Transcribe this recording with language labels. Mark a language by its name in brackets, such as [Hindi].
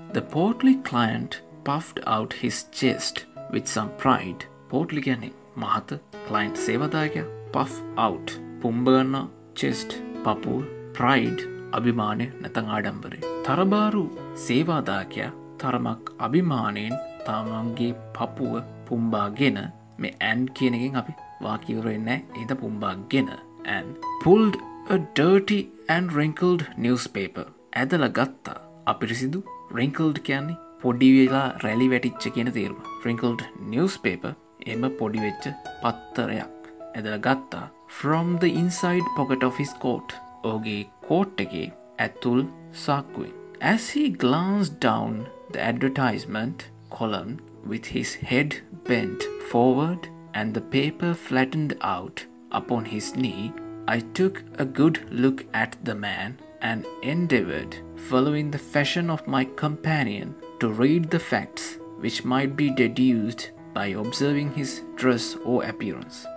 [English] The portly client puffed out his chest with some pride. [Sinhala] Portly කියන්නේ මහත, client සේවදායකයා. Puff out, පුම්බ ගන්නා, chest, පපුව, pride, අභිමානය නැත්නම් ආඩම්බරය. තරබාරු සේවදායකයා තරමක් අභිමාණයෙන් තමන්ගේ පපුව පුම්බාගෙන මේ and කියන එකෙන් අපි වාක්‍යවරෙන්නේ නැහැ. එහෙනම් පුම්බාගෙන [English] and pulled a dirty and wrinkled newspaper. [Sinhala] ඇදලා ගත්තා අපිරිසිදු wrinkled කියන්නේ පොඩි වෙලා රැලි වැටිච්ච කියන තේරුම. [English] wrinkled newspaper [Sinhala] එම පොඩි වෙච්ච පත්‍රයක් ඇදලා ගත්තා [English] from the inside pocket of his coat. [Sinhala] ඔහුගේ coat එකේ ඇතුල් සාක්කුවේ. [English] As he glanced down the advertisement column with his head bent forward and the paper flattened out upon his knee, I took a good look at the man and endeavored, following the fashion of my companion, to read the facts which might be deduced by observing his dress or appearance.